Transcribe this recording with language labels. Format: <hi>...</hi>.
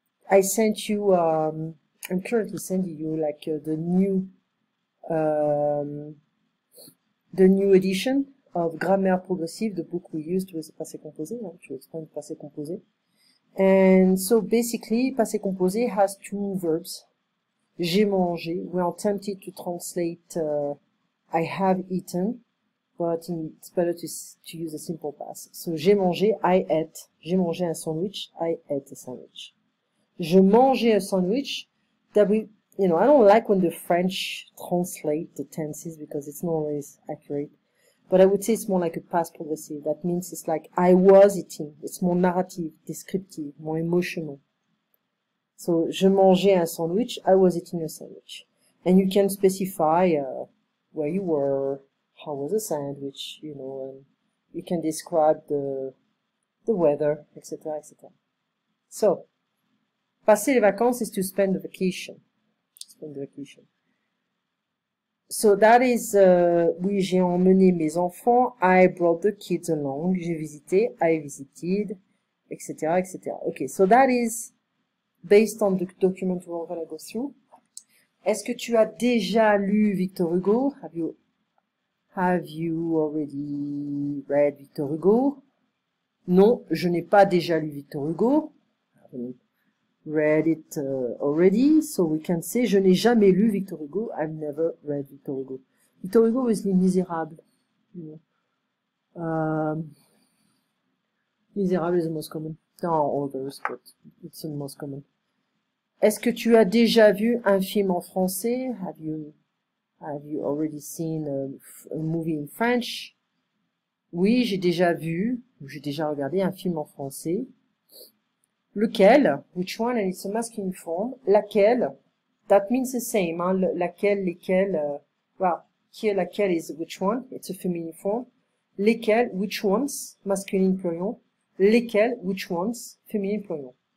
<en>I sent you, I'm currently sending you like the new edition of Grammaire Progressive, the book we used with the passé composé, hein, to explain the passé composé. And so basically, passé composé has two verbs.</en> <fr>J'ai mangé.</fr> <en>We are tempted to translate I have eaten. But it's better to use a simple past. So,</en> <fr>j'ai mangé,</fr> <en>I ate.</en> <fr>J'ai mangé un sandwich,</fr> <en>I ate a sandwich.</en> <fr>Je mangeais un sandwich.</fr> <en>That we, you know, I don't like when the French translate the tenses because it's not always accurate. But I would say it's more like a past progressive. That means it's like I was eating. It's more narrative, descriptive, more emotional. So,</en> <fr>je mangeais un sandwich,</fr> <en>I was eating a sandwich. And you can specify where you were. How was the sandwich, you know, and you can describe the weather, etc., etc. So, passer les vacances is to spend the vacation. Spend the vacation. So that is,</en> <fr>oui, j'ai emmené mes enfants.</fr> <en>I brought the kids along.</en> <fr>J'ai visité,</fr> <en>I visited, etc., etc. Okay, so that is based on the document we're gonna go through.</en> <fr>Est-ce que tu as déjà lu Victor Hugo?</fr> <en>Have you already read Victor Hugo?</en> <fr>Non, je n'ai pas déjà lu Victor Hugo.</fr> <en>Read it already, so we can say</en> <fr>je n'ai jamais lu Victor Hugo.</fr> <en>I've never read Victor Hugo. Victor Hugo is Les Misérables. Misérable is the most common. There are others, but it's the most common.</en> <fr>Est-ce que tu as déjà vu un film en français?</fr> <en>Have you already seen a movie in French?</en> <fr>Oui, j'ai déjà regardé un film en français.</fr> <en>Lequel? Which one? And it's a masculine form. Laquelle? That means the same. Hein? Laquelle, lesquelles? Qui est laquelle is which one? It's a feminine form. Lesquelles? Which ones? Masculine pronom. Lesquelles? Which ones? Féminin pronom.</en>